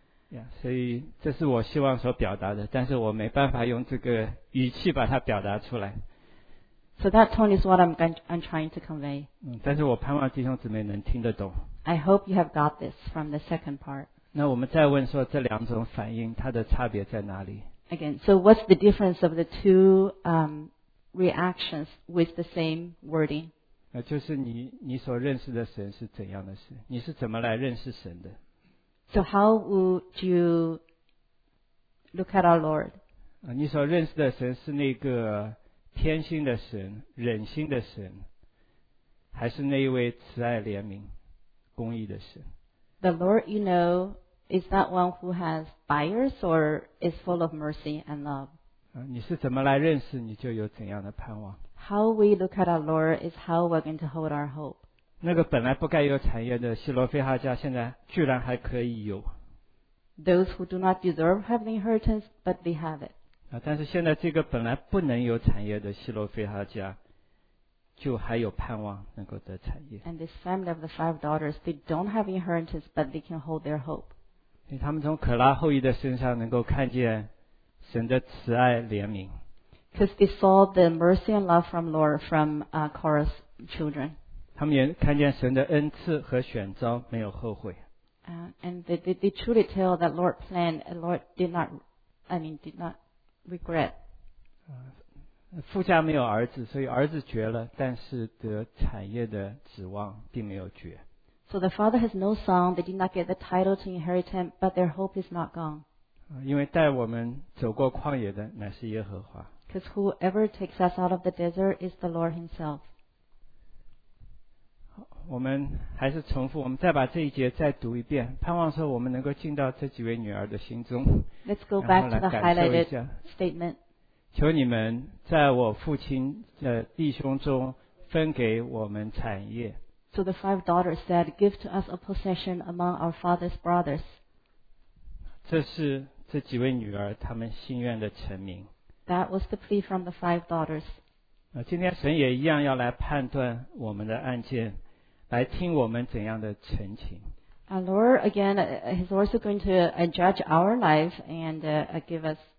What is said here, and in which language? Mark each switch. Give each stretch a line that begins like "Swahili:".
Chinese: Yeah, 所以这是我希望所表达的，但是我没办法用这个语气把它表达出来。
English: So that tone is what I'm trying to convey.
Chinese: 但是我盼望弟兄姊妹能听得懂。
English: I hope you have got this from the second part.
Chinese: 那我们再问说这两种反应它的差别在哪里
English: Again, so what's the difference of the two reactions with the same wording?
Chinese: 就是 你所认识的神是怎样的神，你是怎么来认识神的。
English: So how would you look at our Lord?
Chinese: 你所认识的神是那个偏心的神，忍心的神，还是那一位慈爱怜悯公义的神？
English: The Lord you know is that one who has bias or is full of mercy and love.
Chinese: 你是怎么来认识，你就有怎样的盼望。
English: How we look at our Lord is how we're going to hold our hope.
Chinese: 那个本来不该有产业的希罗非哈家现在居然还可以有。
English: Those who do not deserve have the inheritance, but they have it.
Chinese: 但是现在这个本来不能有产业的希罗非哈家就还有盼望能够得产业。
English: And this family of the five daughters, they don't have inheritance, but they can hold their hope.
Chinese: 因为他们从可拉后裔的身上能够看见神的慈爱怜悯。
English: Because they saw the mercy and love from Lord from Korah's children.
Chinese: 他们也看见神的恩赐和选召没有后悔。
English: And they truly tell that Lord planned and Lord did not regret.
Chinese: 富家没有儿子，所以儿子绝了，但是得产业的指望并没有绝。
English: So the father has no son, they did not get the title to inherit him, but their hope is not gone.
Chinese: 因为带我们走过旷野的乃是耶和华。
English: Because whoever takes us out of the desert is the Lord himself.
Chinese: 我们还是重复，我们再把这一节再读一遍，盼望说我们能够进到这几位女儿的心中。
English: Let's go back to the highlighted statement.
Chinese: 求你们在我父亲的弟兄中分给我们产业。
English: So the five daughters said, "Give to us a possession among our father's brothers."
Chinese: 这是这几位女儿她们心愿的成名。
English: That was the plea from the five daughters.
Chinese: 今天神也一样要来判断我们的案件，来听我们怎样的陈情。
English: Our Lord again is also going to judge our life and give us.